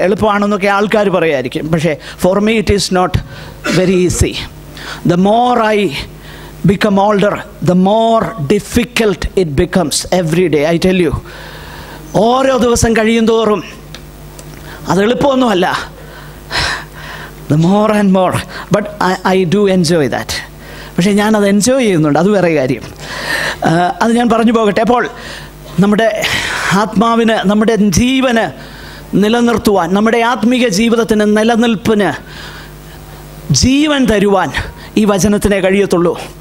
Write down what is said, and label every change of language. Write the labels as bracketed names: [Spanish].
[Malayalam] എളുപ്പമാണെന്നൊക്കെ ആൾക്കാർ പറയുമായിരിക്കും, പക്ഷേ for me it is not very easy. [English] The more I become older, the more difficult it becomes every day. [Malayalam] I tell you, ഓരോ ദിവസം കഴിയും തോറും അത് എളുപ്പമൊന്നുമല്ല. [English] The more and more, but I do enjoy that. [Malayalam] പക്ഷെ ഞാനത് enjoy ചെയ്യുന്നുണ്ട്, അത് വേറെ കാര്യം. അത് ഞാൻ പറഞ്ഞു പോകട്ടെ. അപ്പോൾ നമ്മുടെ ആത്മാവിന്, നമ്മുടെ ജീവന് നിലനിർത്തുവാൻ, നമ്മുടെ ആത്മീയ ജീവിതത്തിന് നിലനിൽപ്പിന് ജീവൻ തരുവാൻ ഈ വചനത്തിനെ കഴിയത്തുള്ളൂ.